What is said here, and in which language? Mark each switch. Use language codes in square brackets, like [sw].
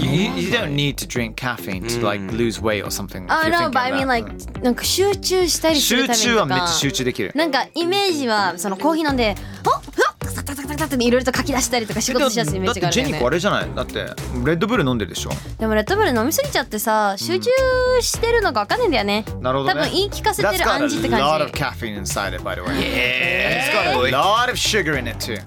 [en] You don't need to drink caffeine to like lose weight or something. Oh no, but I mean like [ja] なんか集中したりするためとか。集中はめっちゃ集中できる。なんかイメージはそのコーヒー飲んで、おっ、ふっ、タタタタタっていろいろと書き出したりとか仕事しやすいイメージがあるよね。だってジェニコあれじゃない。だってレッドブル飲んでるでしょ。でもレッドブル飲みすぎちゃってさ、集中してるのかわかんないんだよね。なるほどね。多分言い聞かせてる暗示って感じ。 [en] That's got a lot of caffeine inside it, by the way. Yeah. And it's got a lot of sugar in it too.